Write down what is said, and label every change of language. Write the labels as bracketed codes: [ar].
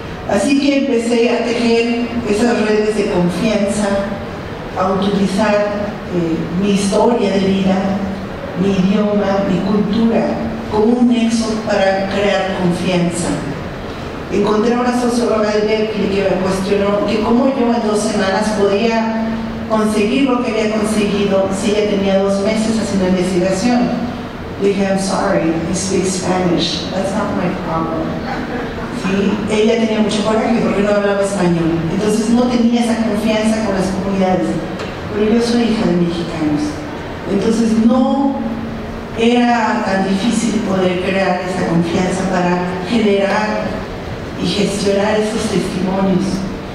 [es] Así que empecé a tejer esas redes de confianza, a utilizar mi historia de vida, mi idioma, mi cultura, como un nexo para crear confianza. Encontré a una socióloga de Berkeley que me cuestionó que cómo yo en 2 semanas podía conseguir lo que había conseguido si ella tenía 2 meses haciendo investigación. Le dije, [en] I'm sorry, I speak Spanish, that's not my problem. [es] Sí, ella tenía mucho coraje porque no hablaba español, entonces no tenía esa confianza con las comunidades. Pero yo soy hija de mexicanos, entonces no era tan difícil poder crear esa confianza para generar y gestionar esos testimonios.